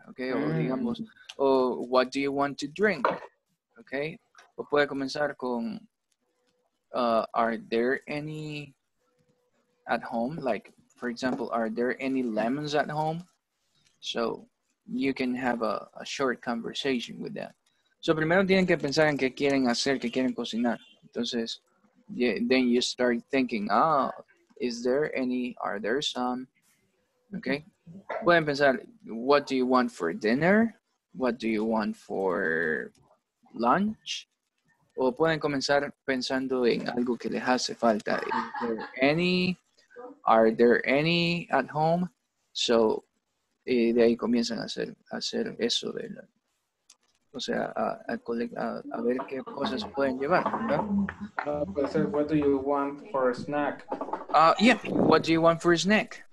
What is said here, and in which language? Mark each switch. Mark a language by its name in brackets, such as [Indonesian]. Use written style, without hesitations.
[English] Okay, [Spanish] o digamos, o [English] what do you want to drink? Okay, [Spanish] o puede comenzar con, [English] are there any at home? Like, for example, are there any lemons at home? So you can have a short conversation with them. [Spanish] So primero tienen que pensar en qué quieren hacer, qué quieren cocinar. [English] Entonces, yeah, then you start thinking, ah, is there any, are there some? Okay. [Spanish] Pueden pensar, [English] what do you want for dinner? What do you want for lunch? [Spanish] O pueden comenzar pensando en algo que les hace falta. [English] Is there any, are there any at home? [Spanish] So, y de ahí comienzan a hacer eso de la, o sea, a ver qué cosas pueden llevar, ¿no? [English] What do you want for a snack? Yeah, what do you want for a snack?